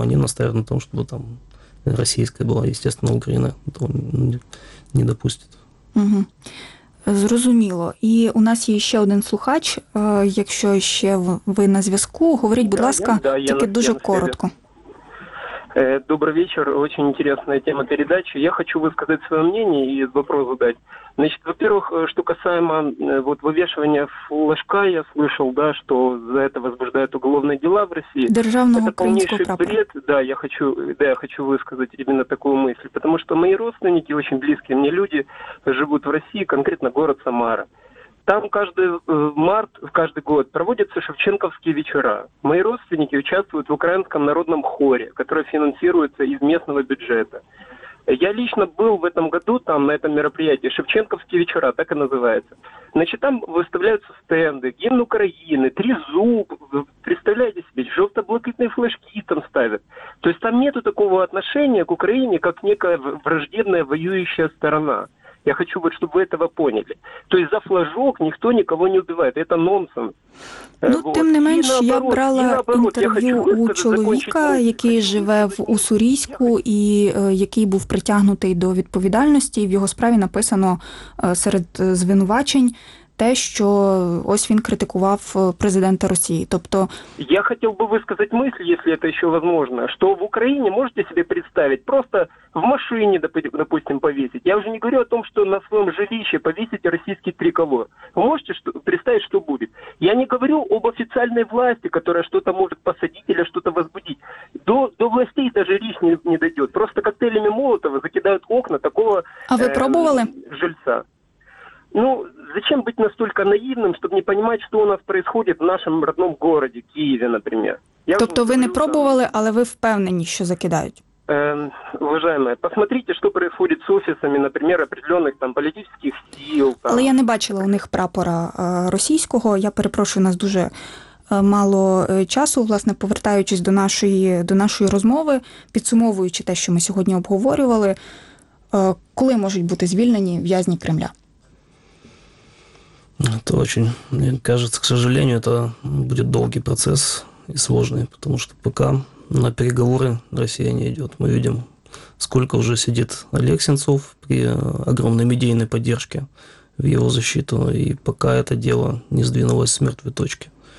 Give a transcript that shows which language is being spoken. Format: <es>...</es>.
<ru>Они настаивают на том, чтобы там российская была, естественно, Украина этого не допустит.</ru> <uk>Угу. Зрозуміло. І у нас є ще один слухач, якщо ще ви на зв'язку, говоріть, будь ласка, тільки дуже коротко.</uk> <ru>Добрый вечер. Очень интересная тема передачи. Я хочу высказать свое мнение и вопрос задать. Значит, во-первых, что касаемо вот вывешивания флажка, я слышал, да, что за это возбуждают уголовные дела в России. Державного это полнейший бред. Да, я хочу высказать именно такую мысль. Потому что мои родственники, очень близкие мне люди, живут в России, конкретно город Самара. Там каждый год проводятся шевченковские вечера. Мои родственники участвуют в украинском народном хоре, который финансируется из местного бюджета. Я лично был в этом году там, на этом мероприятии, шевченковские вечера, так и называется. Значит, там выставляются стенды, гимн Украины, «Трезуб», представляете себе, желто-блакитные флажки там ставят. То есть там нету такого отношения к Украине, как некая враждебная воюющая сторона. Я хочу, вот, чтобы вы этого поняли. То есть за флажок никто никого не убивает. Это нонсенс. Ну, вот.</ru> <uk>Тим не менш, наоборот, я брала інтерв'ю у чоловіка, який живе в Уссурійську і який був притягнутий до відповідальності. В його справі написано серед звинувачень те, що ось він критикував президента Росії. Тобто, я хотів би висказати мисль, якщо це ще можливо, що в Україні можете собі представити просто в машині, допустим, повісити. Я вже не говорю о том, що на своєму жилищі повісити російський триколор. Ви можете представити, що буде? Я не говорю об офіційній владі, яка щось може посадити або щось визбудити. До властей навіть річ не дійде. Просто коктейлями Молотова закидають окна такого жильця. А ви пробували?</uk> <ru>Ну, зачем быть настолько наивным, чтобы не понимать, что у нас происходит в нашем родном городе, Киеве, например?</ru> <uk>Тобто ви не пробували, але ви впевнені, що закидають?</uk> <ru>Уважаемые, посмотрите, что происходит с офисами, например, определенных там политических сил. Там.</ru> <uk>Але я не бачила у них прапора російського. Я перепрошую, у нас дуже мало часу, власне, повертаючись до нашої розмови, підсумовуючи те, що ми сьогодні обговорювали, коли можуть бути звільнені в'язні Кремля?</uk> <ru>Это очень, мне кажется, к сожалению, это будет долгий процесс и сложный, потому что пока на переговоры Россия не идет. Мы видим, сколько уже сидит Олег Сенцов при огромной медийной поддержке в его защиту, и пока это дело не сдвинулось с мертвой точки.</ru>